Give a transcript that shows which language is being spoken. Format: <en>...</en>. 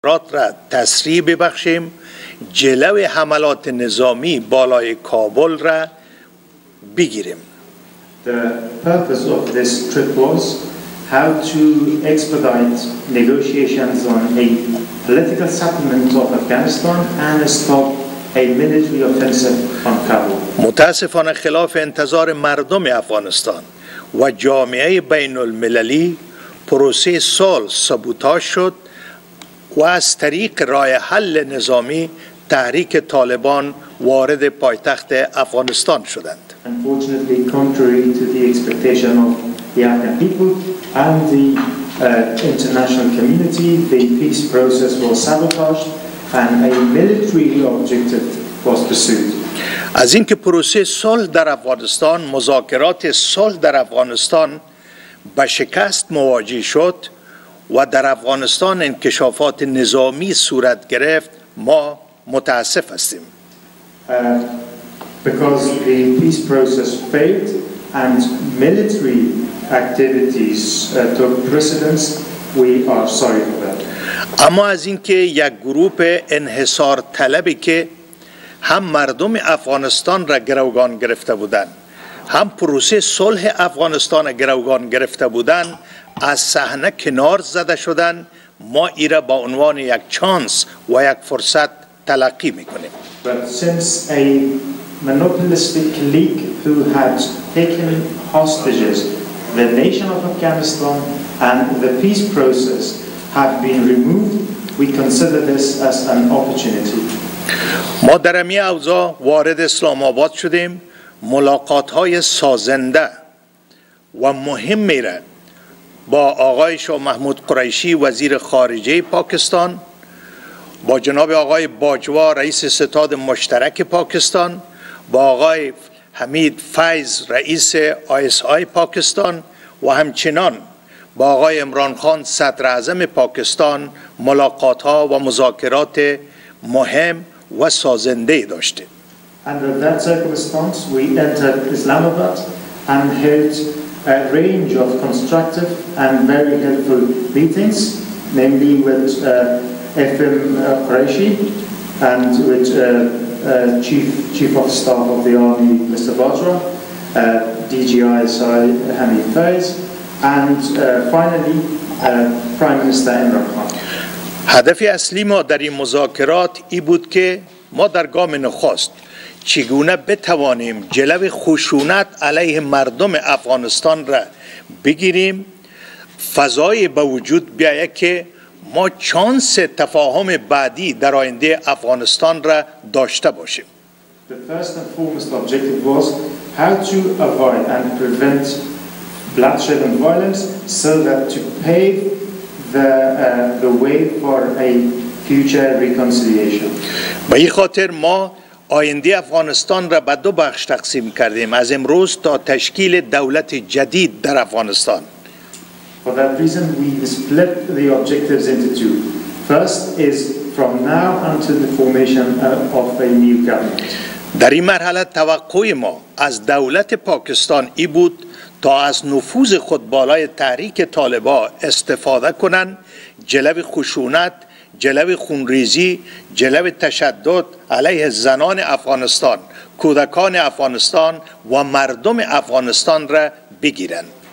<fa>افراد را تسریع ببخشیم، جلو حملات نظامی بالای کابل را بگیریم.</fa> <en>The purpose of this trip was how to expedite negotiations on a political settlement of Afghanistan and stop a military offensive on Kabul.</en> <fa>متاسفانه خلاف انتظار مردم افغانستان و جامعه بین المللی، پروسه صلح سابوتاژ شد و از طریق رای حل نظامی تحریک طالبان وارد پایتخت افغانستان شدند.</fa> <en>Unfortunately, contrary to the expectation of the Afghan people and the international community, the peace process was sabotaged and a military objective was pursued.</en> <fa>از اینکه پروسه صلح در افغانستان، مذاکرات صلح در افغانستان به شکست مواجه شد و در افغانستان انکشافات نظامی صورت گرفت، ما متاسف هستیم.</fa> <en>Because the peace process failed and military activities took precedence, we are sorry for that.</en> <fa>اما از اینکه یک گروه انحصار طلبی که هم مردم افغانستان را گروگان گرفته بودند، هم پروسه صلح افغانستان را گروگان گرفته بودند، از صحنه کنار زده شدند، ما ای را با عنوان یک چانس و یک فرصت تلقی میکنیم.</fa> <en>But since a monopolistic clique who had taken hostages the nation of Afghanistan and the peace process had been removed, we consider this as an opportunity.</en> <fa>ما در امی اوضاع وارد اسلام آباد شدیم، ملاقات های سازنده و مهم میرن با آقای شاه محمود قریشی وزیر خارجه پاکستان، با جناب آقای باجوا رئیس ستاد مشترک پاکستان، با آقای حمید فیض رئیس ISI پاکستان و همچنان با آقای عمران خان صدر اعظم پاکستان ملاقات ها و مذاکرات مهم و سازنده داشته.</fa> <en>Under that circumstance, we entered Islamabad and held a range of constructive and very helpful meetings, namely with FM Qureshi and with Chief of Staff of the Army, Mr. Bajwa, DGISI Hamid Faiz, and finally Prime Minister Imran Khan.</en> <fa>هدف اصلی ما در این مذاکرات ای بود که ما در گام نخست چگونه بتوانیم جلو خشونت علیه مردم افغانستان را بگیریم، فضای به وجود بیاید که ما چانس تفاهم بعدی در آینده افغانستان را داشته باشیم.</fa> <en>The first and foremost objective was how to avoid and prevent bloodshed and violence so that to pave the way for a future reconciliation.</en> <fa>به این خاطر ما آینده افغانستان را به دو بخش تقسیم کردیم، از امروز تا تشکیل دولت جدید در افغانستان.</fa> <en>For that reason we split the objectives into two. First is from now until the formation of a new government.</en> <fa>در این مرحله توقع ما از دولت پاکستان ای بود تا از نفوذ خود بالای تحریک طالبا استفاده کنند، جلو خشونت، جلو خونریزی، جلو تشدد علیه زنان افغانستان، کودکان افغانستان و مردم افغانستان را بگیرند.</fa>